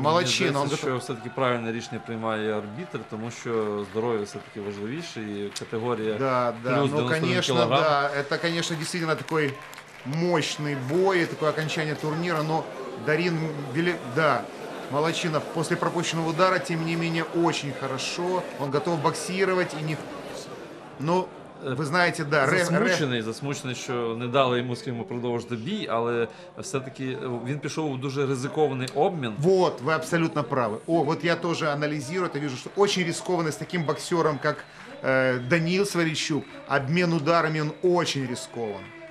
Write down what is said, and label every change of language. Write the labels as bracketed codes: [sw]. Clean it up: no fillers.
[uk] Здається, що все-таки правильне рішення приймає арбітр, тому що здоров'я все-таки важливіше і категорія, да, да, плюс 91 кілограм. [ru] Да, это, конечно, действительно такой мощный бой, такое окончание турнира, но Дарин, да, молодчина, после пропущенного удара, тем не менее, очень хорошо, он готов боксировать и не... [uk] Но... Ви знаєте, да, засмучений, що не дали йому з ким продовжити бій, але все-таки він пішов у дуже ризикований обмін. Вот, ви абсолютно праві. О, от я теж аналізую, то вижу, що дуже ризикований з таким боксером, як Даниил Сварищук, обмін ударами, він дуже ризикований.